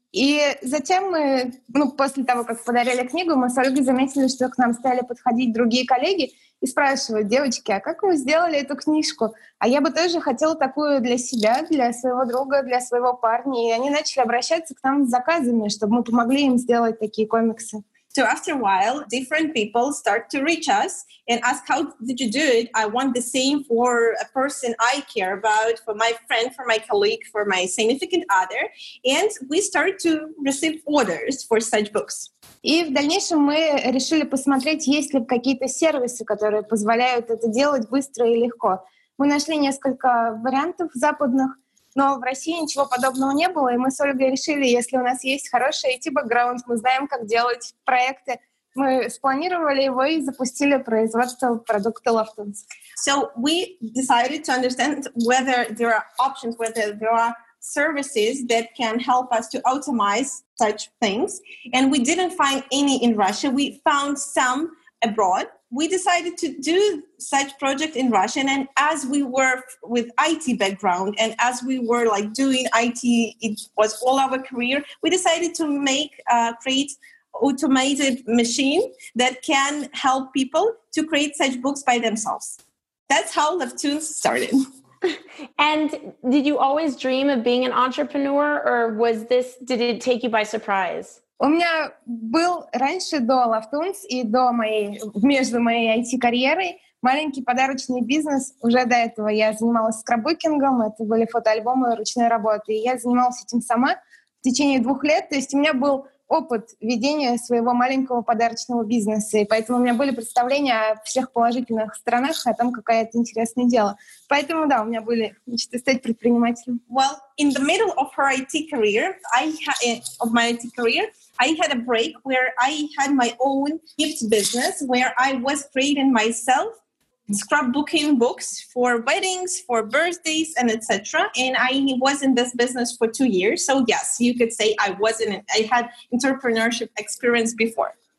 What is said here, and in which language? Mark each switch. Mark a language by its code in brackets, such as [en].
[ru] И затем мы, ну, после того, как подарили книгу, мы с Ольгой заметили, что к нам стали подходить другие коллеги и спрашивают, девочки, а как вы сделали эту книжку? А я бы тоже хотела такую для себя, для своего друга, для своего парня. И они начали обращаться к нам с заказами, чтобы мы помогли им сделать такие комиксы. [en] So after a while, different people start to reach us and ask, how did you do it? I want the same for a person I care about, for my friend, for my colleague, for my significant other. And we started to receive orders for such books. [ru] И в дальнейшем мы решили посмотреть, есть ли какие-то сервисы, которые позволяют это делать быстро и легко. Мы нашли несколько вариантов западных, но в России ничего подобного не было, и мы с Ольгой решили, если у нас есть хороший IT-бэкграунд, мы знаем, как делать проекты, Мы спланировали его и запустили производство продукта Loftons. [en] So we decided to understand whether there are options, whether there are services that can help us to automize such things. And we didn't find any in Russia. We found some abroad. We decided to do such project in Russian, and as we were with IT background and as we were like doing IT, it was all our career, we decided to make create automated machine that can help people to create such books by themselves. That's how Loftons started. And did you always dream of being an entrepreneur, or was this, did it take you by surprise? [ru] У меня был раньше до Loftons и до моей IT-карьерой маленький подарочный бизнес. Уже до этого я занималась скрапбукингом, это были фотоальбомы ручной работы. И я занималась этим сама в течение 2 лет. То есть у меня был опыт ведения своего маленького подарочного бизнеса. И поэтому у меня были представления о всех положительных сторонах, о том, какое это интересное дело. Поэтому, да, у меня были мечты стать предпринимателем. [en] Well, in the middle of her IT career, I had a break where I had my own gift business, where I was creating myself scrapbooking books for weddings, for birthdays, and etc. And I was in this business for 2 years. So yes, you could say I had entrepreneurship experience before.